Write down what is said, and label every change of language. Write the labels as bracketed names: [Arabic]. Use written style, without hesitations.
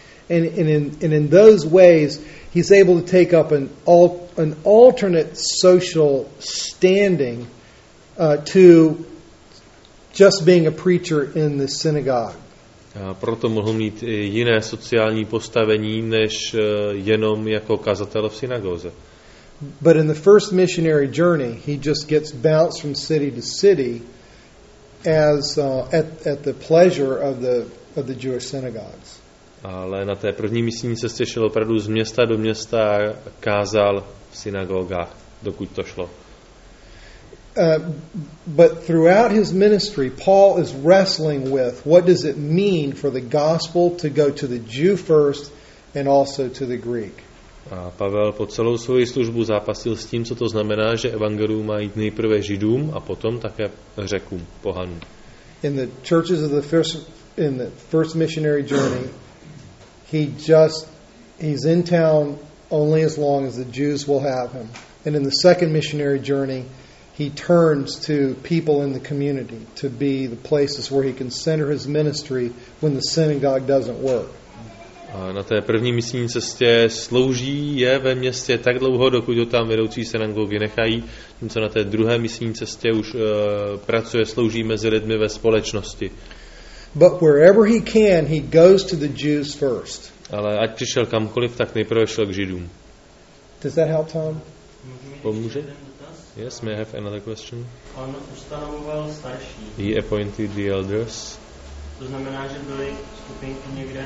[English] And in those ways he's able to take up an alternate social standing to just being a preacher in the synagogue. [Czech] A proto mohl mít i jiné sociální postavení než jenom jako kazatel v synagoze. [English] But in the first missionary journey he just gets bounced from city to city as at the pleasure of the Jewish synagogues. [Czech] Ale na té první misijní cestě šel opravdu z města do města a kázal v synagogách, dokud to šlo. [English] But throughout his ministry Paul is wrestling with what does it mean for the gospel to go to the Jew first and also to the Greek. [Czech] A Pavel po celou svoji službu zápasil s tím, co to znamená, že evangelium má jít nejprve Židům a potom také Řekům, pohanům. [English] In the churches of the first missionary journey, he's in town only as long as the Jews will have him. And in the second missionary journey, he turns to people in the community to be the places where he can center his ministry when the synagogue doesn't work. [Czech] A na té první misijní cestě slouží, je ve městě tak dlouho, dokud ho tam vedoucí synagogy nechají, tím co na té druhé misijní cestě už pracuje, slouží mezi lidmi ve společnosti. [English] But wherever he can, he goes to the Jews first. [Czech] Ale ať přišel kamkoliv, tak nejprve šel k Židům. [English] Does that help, Tom? [Czech] Pomůže? [English] Yes, may I have another question? [Czech] On ustanovoval starší. [English] He appointed the elders. [Czech] To znamená, že byly skupinky někde.